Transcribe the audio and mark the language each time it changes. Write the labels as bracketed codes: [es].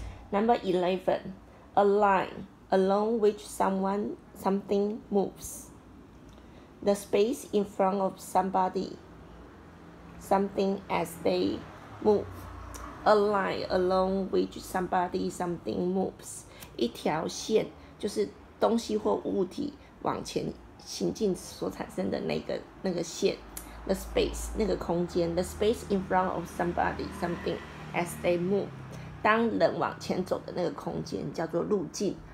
[en] Number 11, a line along which someone, something moves. The space in front of somebody, something as they move. A line along which somebody something moves. [zh] 一条线就是东西或物体往前行进所产生的那个线。 [en] The space, [zh] 那个空间。 [en] The space in front of somebody something as they move. [zh] 当人往前走的那个空间叫做路径。